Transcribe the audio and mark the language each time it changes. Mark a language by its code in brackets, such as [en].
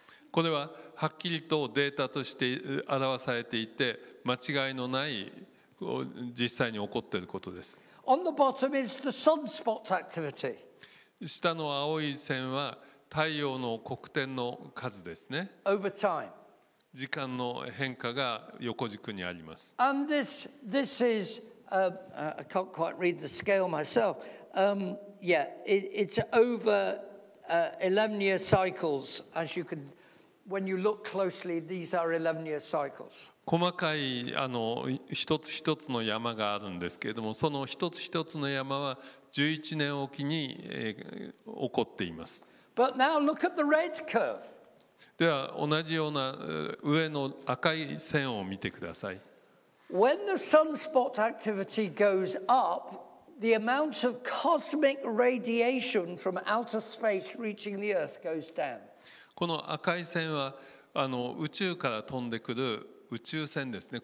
[ja] これははっきりとデータとして表されていて、間違いのない実際に起こっていることです。 [en] On the bottom is the sunspot activity. [ja] 下の青い線は太陽の黒点の数ですね。 [en] Over time. [ja] 時間の変化が横軸にあります。 [en] And this isI can't quite read the scale myself. It's over 11-year cycles. As you can, when you look closely, these are 11-year cycles. [ja] 細かい一つ一つの山があるんですけれども、その一つ一つの山は11年おきに起こっています。 [en] But now look at the red curve. [ja] では同じような上の赤い線を見てください。 [en] When the sunspot activity goes up, the amount of cosmic radiation from outer space reaching the Earth goes down. [ja] この赤い線は宇宙から飛んでくる宇宙線ですね。